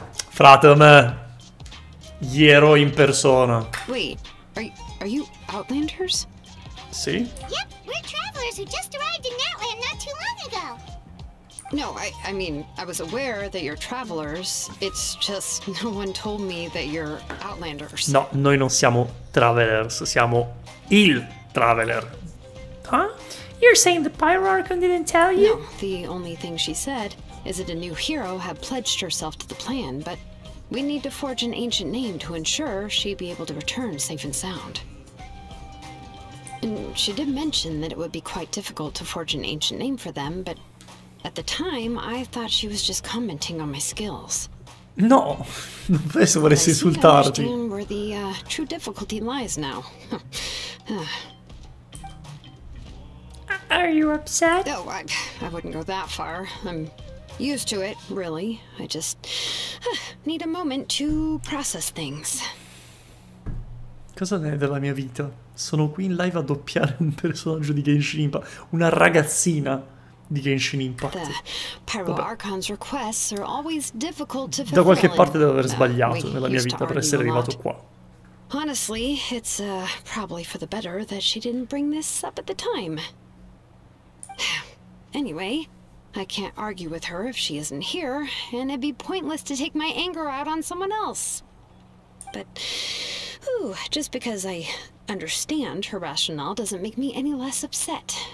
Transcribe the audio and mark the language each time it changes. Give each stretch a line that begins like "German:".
Italian: Fratem, gli eroi in persona.
English: Wait, are you Outlanders?
Italian: Sì.
English: Yep, we're travelers who just arrived in Outland not too long ago. No, I mean, I was aware that you're travelers. It's just no one told me that you're Outlanders.
Italian: No, noi non siamo travelers, siamo il traveler.
English: Huh? You're saying the Pyrarchon didn't tell you? No, the only thing she said is that a new hero had pledged herself to the plan, but we need to forge an ancient name to ensure she'd be able to return safe and sound. And she did mention that it would be quite difficult to forge an ancient name for them, but at the time, I thought she was just commenting on my skills.
Italian: No, non penso volesse insultarti.
English: I understand where the true difficulty lies now. Are you upset? No, I wouldn't go that far. I'm used to it, really. I just need a moment to process things.
Italian: Cosa ne è della mia vita? Sono qui in live a doppiare un personaggio di Genshin Impact, una ragazzina di Genshin Impact.
English: The Pyroarchon's requests are always difficult to fulfill.
Italian: Da qualche parte devo aver sbagliato nella mia vita per essere arrivato qua.
English: Honestly, it's probably for the better that she didn't bring this up at the time. Anyway, I can't argue with her if she isn't here, and it'd be pointless to take my anger out on someone else. But, just because I understand her rationale doesn't make me any less upset.